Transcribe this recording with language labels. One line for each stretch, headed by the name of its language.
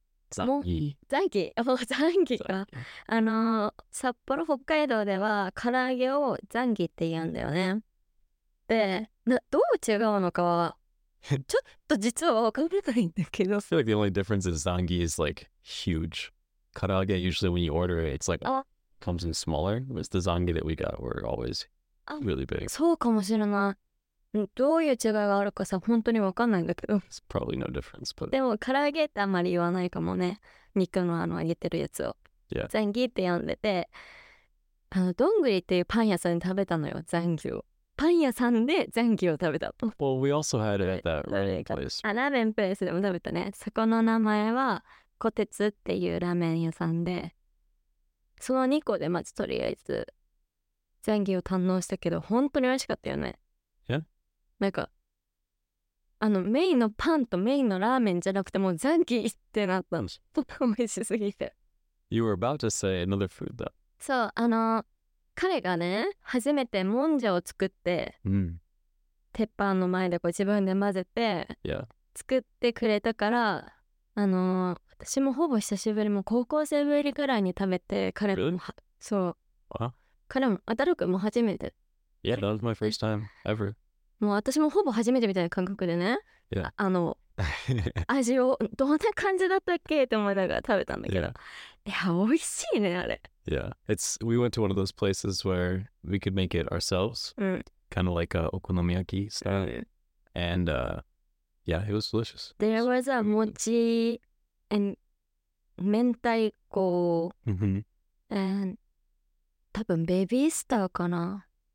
Japanese: ザンギか。札幌、北海道では唐揚げをザンギって言うんだよね。で、どう違うのかはちょっと実は分からないんだけど。
English: I feel like the only difference is ザンギ is like huge. 唐揚げ usually when you order it, it's like comes in smaller. It was the ザンギ that we got were always really big.
Japanese: そうかもしれない。どういう違いがあるかさ、本当にわかんないんだけど。
English: It's probably no difference, but...
Japanese: でも、唐揚げってあんまり言わないかもね。肉のあの揚げてるやつを。
English: Yeah.
Japanese: ザンギって呼んでて、どんぐりっていうパン屋さんで食べたのよ、ザンギを。パン屋さんでザンギを食べた。
English: Well, we also had it at that ramen place.
Japanese: ラーメンプレスでも食べたね。そこの名前は、コテツっていうラーメン屋さんで、その2個でまずとりあえず、ザンギを堪能したけど、本当に美味しかったよね。なんか、メインのパンとメインのラーメンじゃなくて、もうザンギってなったの。美味しすぎて。
English: You were about to say another food, though.
Japanese: そう、彼がね、初めてもんじゃを作って、うん、鉄板の前でこう自分で混ぜて、
English: yeah.
Japanese: 作ってくれたから、私もほぼ久しぶりも高校生ぶりくらいに食べて、彼も、
English: really?
Japanese: そう、彼も、アタロ君も初めて。
English: Yeah, that was my first time ever.
Japanese: もう私もほぼ初めてみたいな感覚でね、
English: yeah.
Japanese: あの味をどんな感じだったっけって思いながら食べたんだけど、
English: yeah.
Japanese: いや美味しいねあれ。
English: Yeah, it's we went to one of those places where we could make it ourselves, kind of like a okonomiyaki style, and yeah, it was delicious. There was a mochi and mentaiko and
Japanese: 多分ベビースターかな。